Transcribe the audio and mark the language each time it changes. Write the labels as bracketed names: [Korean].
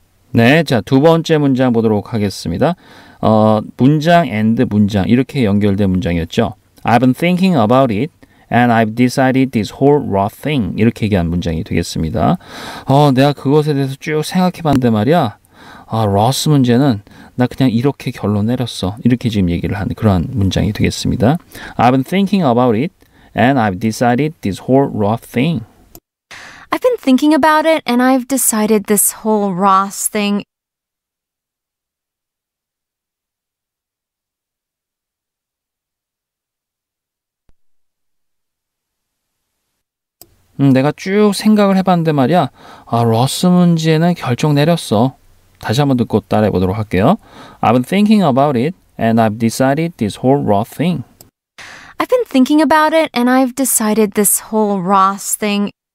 [Korean] 네, 자, 두 번째 문장 보도록 하겠습니다. 문장 and 문장 이렇게 연결된 문장이었죠. [English] I've been thinking about it and I've decided this whole raw thing [Korean] 이렇게 얘기한 문장이 되겠습니다. 내가 그것에 대해서 쭉 생각해봤는데 말이야. 러스 문제는 나 그냥 이렇게 결론 내렸어. 이렇게 지금 얘기를 한 그런 문장이 되겠습니다. [English] I've been thinking about it and I've decided this whole raw thing. I've been thinking about it and I've decided this whole Ross thing. [Korean] 내가 쭉 생각을 해봤는데 말이야. 러스 문제는 결정 내렸어. 다시 한번 듣고 따라해 보도록 할게요. [English] I've been thinking about it and I've decided this whole Ross thing. I've been thinking about it and I've decided this whole Ross thing.